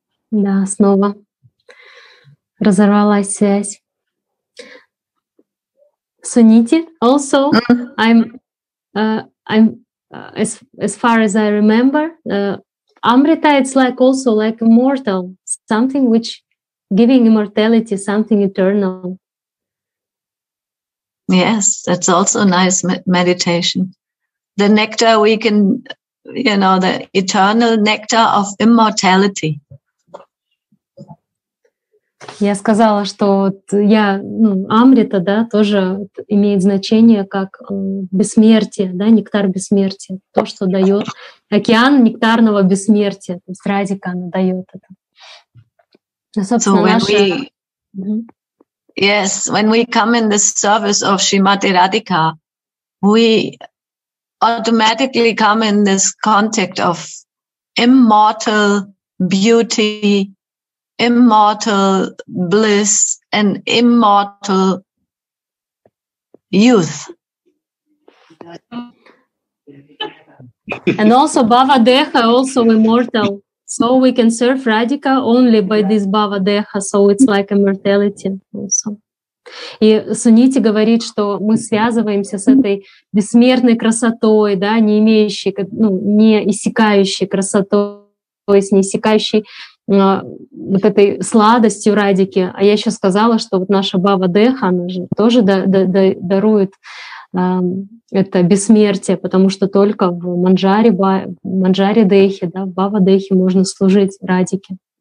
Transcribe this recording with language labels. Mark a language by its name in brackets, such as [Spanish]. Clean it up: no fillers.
[Russian] Да, снова разорвалась связь. [English] Суните, also, as far as I remember, Amrita, it's like also like immortal, something which giving immortality, something eternal. Yes, that's also a nice meditation. The nectar we can, you know, the eternal nectar of immortality. [Russian] Я сказала, что я, ну, Амрита, да, тоже имеет значение как бессмертие, да, нектар бессмертия, то, что дает океан нектарного бессмертия, то есть Радика она дает это. Но, собственно, [English] so when [Russian] наша... [English] Yes, when we come in the service of Shrimati Radhika, we automatically come in this contact of immortal beauty, immortal bliss, and immortal youth. And also Bhava Deha, also immortal. So we can serve Radhika only by this Bhava Deha. So it's like immortality also. [Russian] И Сунити говорит, что мы связываемся с этой бессмертной красотой, да, не имеющей, ну, не иссякающей красотой, то есть не иссякающей вот этой сладостью Радики. А я еще сказала, что вот наша Бава Деха, она же тоже дарует это бессмертие, потому что только в Манджари Дехе, да, в Бава Дехе можно служить Радике.